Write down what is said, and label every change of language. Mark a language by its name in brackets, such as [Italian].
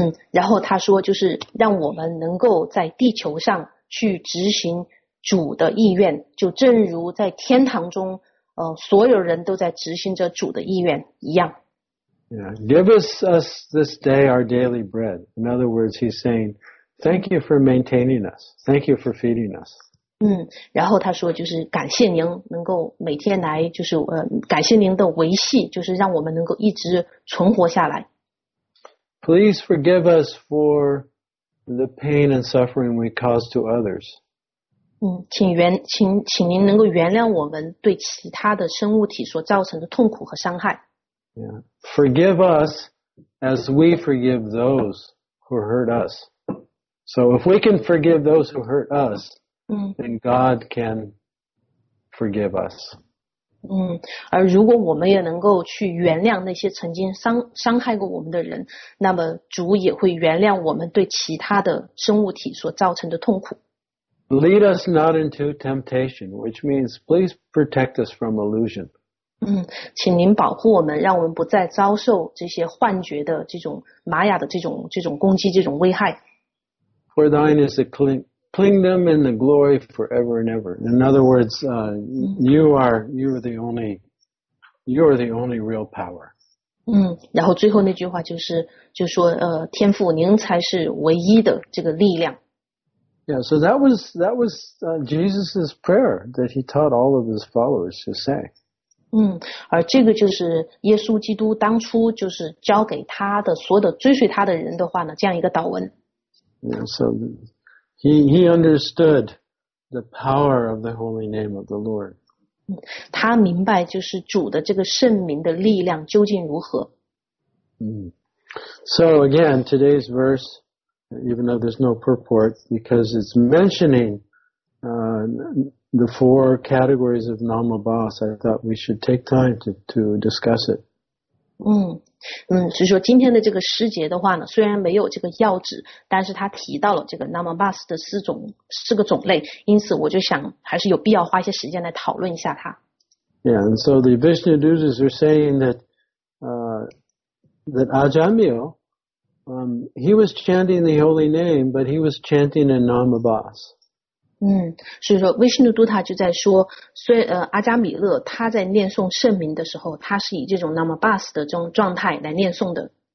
[Chinese] 然后他说就是让我们能够在地球上去执行主的意愿，就正如在天堂中所有人都在执行着主的意愿一样。 [English] Yeah, give us this day our daily bread. In other words, he's saying, thank you for maintaining us. Thank you for feeding us. [Chinese] 然后他说就是感谢您能够每天来就是感谢您的维系，就是让我们能够一直存活下来。 [English] Please forgive us for the pain and suffering we cause to others. [Chinese] 请您能够原谅我们对其他的生物体所造成的痛苦和伤害。 [English] Yeah. Forgive us as we forgive those who hurt us. So if we can forgive those who hurt us,And God can forgive us. [Chinese] 而如果我们也能够去原谅那些曾经伤害过我们的人，那么主也会原谅我们对其他的生物体所造成的痛苦。 [English] Lead us not into temptation, which means please protect us from illusion. [Chinese] 请您保护我们，让我们不再遭受这些幻觉的这种玛雅的这种攻击，这种危害。 [English] For thine is a kingdom and the glory forever and ever. In other words, you are the only You're the only real power. [Chinese] 嗯，然后最后那句话就说天父，您才是唯一的这个力量。 [English] Yeah, so that was Jesus's prayer that he taught all of his followers to say. [Chinese] 而这个就是耶稣基督当初就是教给他的所有的追随他的人的话呢，这样一个祷文。 [English] Yeah, so he understood the power of the holy name of the Lord. [Chinese] 他明白就是主的这个圣名的力量究竟如何。 [English] So again, today's verse, even though there's no purport, because it's mentioning the four categories of Nama Bas, I thought we should take time to discuss it. [Chinese] 所以说今天的这个诗节的话呢，虽然没有这个要旨，但是他提到了这个 Nama Bas 的四个种类，因此我就想还是有必要花一些时间来讨论一下它。 [English] Yeah, and so the Vishnudutas are saying that Ajamil, he was chanting the holy name, but he was chanting a Nama Bas. [Chinese] 所以说 Vishnudutta 就在说，虽阿加米勒他在念诵圣名的时候，他是以这种 Nama Bas 的这种状态来念诵的。